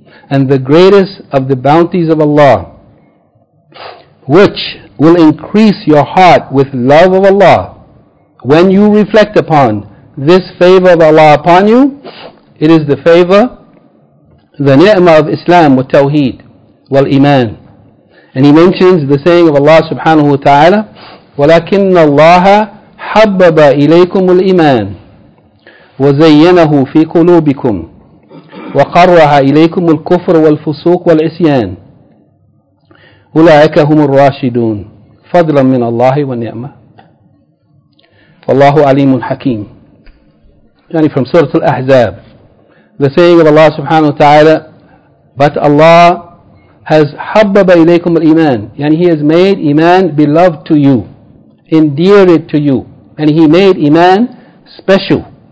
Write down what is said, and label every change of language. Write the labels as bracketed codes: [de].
[en] And the greatest of the bounties of Allah, which will increase your heart with love of Allah when you reflect upon this favor of Allah upon you, it is the favor, the ni'mah of Islam [ar] والتوحيد والإيمان. [en] And he mentions the saying of Allah subhanahu wa ta'ala, [ar] وَلَكِنَّ اللَّهَ حَبَّبَ إِلَيْكُمُ الْإِيمَانِ وَزَيَّنَهُ فِي قُلُوبِكُمْ وَقَرَّهَ إِلَيْكُمُ الْكُفْرُ وَالْفُسُوقُ وَالْإِسْيَانِ أُولَٰئِكَ هُمُ الرَّاشِدُونَ فَضْلًا مِّنَ اللَّهِ وَالنِّعْمَةِ وَاللَّهُ عَلِيمٌ حَكِيمٌ. [en] Yani from Surah Al-Ahzab, the saying of Allah subhanahu wa ta'ala, but Allah has [ar] حَبَّبَ إِلَيْكُمُ الْإِيمَانِ, [en] yani he has made iman beloved to you, endear it to you, and he made iman special.